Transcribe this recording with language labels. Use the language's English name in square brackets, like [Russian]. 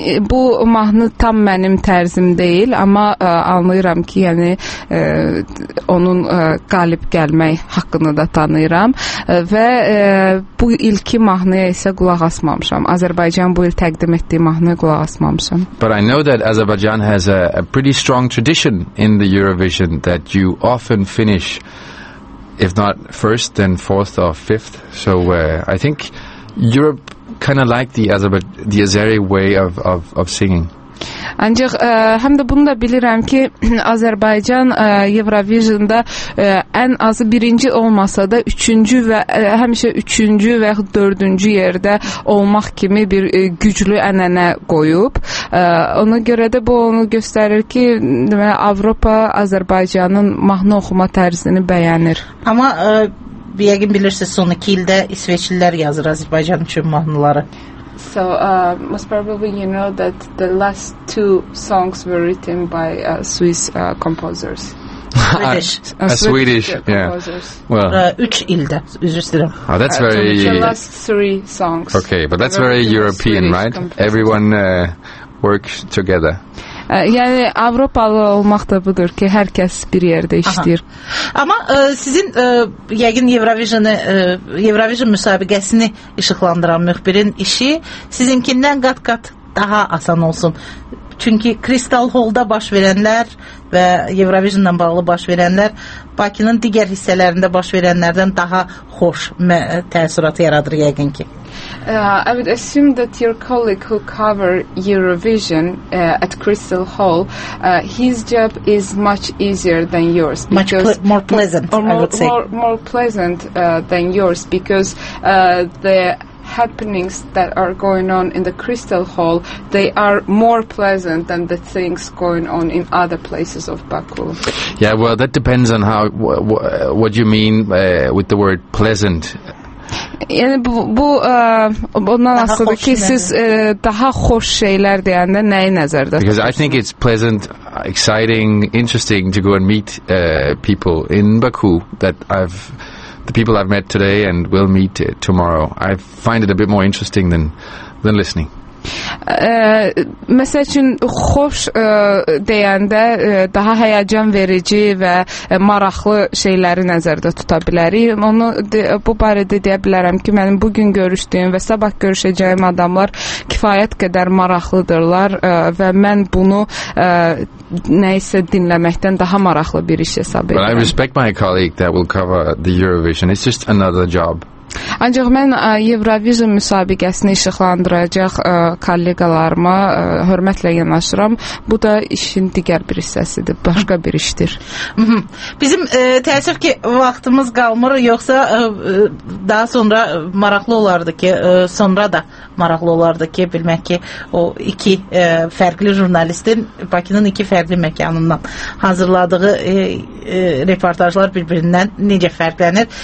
[Azerbaijani] Bu mahnı tam mənim tərzim deyil, amma anlayıram ki, yəni onun qalib gəlmək haqqı da tanıyıram və bu ilki mahnıya isə qulaq asmamışam. Azərbaycan bu il təqdim etdiyi mahnıya qulaq asmamışam. [English] But I know that Azerbaijan has a pretty strong tradition in the Eurovision that you often finish if not first then fourth or fifth. So I think Europe kind of like the Azeri way of singing. [Azerbaijani] Ancaq həm də bunu da bilirəm ki, Azərbaycan Eurovision-da ən azı birinci olmasa da üçüncü və həmişə üçüncü və yaxud dördüncü yerdə olmaq kimi bir güclü ənənə qoyub. Ona görə də bu onu göstərir ki, demək, Avropa Azərbaycanın mahnı oxuma tərzini bəyənir. Amma yəqin bilirsiniz, son iki ildə İsveçlilər yazır Azərbaycan üçün mahnıları. [English] So most probably you know that the last two songs were written by Swiss composers. Swedish composers. Yeah. Well, [Azerbaijani] 3 ildə, üzr istəyirəm. [English] Oh, that's very the last 3 songs. Okay, but that's very European, Swedish right? Composers. Everyone works together. [Azerbaijani] Yəni Avropalı olmaq da budur ki, hər kəs bir yerdə işləyir. Amma sizin yəqin Eurovision müsabiqəsini işıqlandıran müxbirin işi sizinkindən qat-qat daha asan olsun. Çünki Kristal Hall-da baş verənlər və Eurovision-la bağlı baş verənlər Bakının digər hissələrində baş verənlərdən daha xoş təəssürat yaradır yəqin ki. [English] I would assume that your colleague who cover Eurovision at Crystal Hall, his job is much easier than yours. Much more pleasant, I would say. More pleasant than yours because the happenings that are going on in the Crystal Hall, they are more pleasant than the things going on in other places of Baku. Yeah, well, that depends on how what you mean with the word pleasant. [Azerbaijani] Yəni, bu ondan asılı ki, siz daha xoş şeylər deyəndə nəyi nəzərdə tutursunuz? [English] Because I think it's pleasant, exciting, interesting to go and meet people in Baku that I've... The people I've met today and will meet tomorrow, I find it a bit more interesting than listening. [Azerbaijani] Məsəl üçün, xoş deyəndə daha həyəcan verici və maraqlı şeyləri nəzərdə tuta bilərik. Onu bu barədə deyə bilərəm ki, mənim bugün görüşdüyüm və sabah görüşəcəyim adamlar kifayət qədər maraqlıdırlar və mən bunu nəyisə dinləməkdən daha maraqlı bir iş hesab edirəm. [English] But I respect my colleague that will cover the Eurovision. It's just another job. [Azerbaijani] Ancaq mən Eurovision müsabiqəsini işıqlandıracaq kollegalarıma hörmətlə yanaşıram. Bu da işin digər bir hissəsidir, başqa bir işdir. Bizim təəssüf ki, vaxtımız qalmır, yoxsa daha sonra maraqlı olardı ki, sonra da maraqlı olardı ki, bilmək ki, o iki fərqli jurnalistin Bakının iki fərqli məkanından hazırladığı reportajlar bir-birindən necə fərqlənir.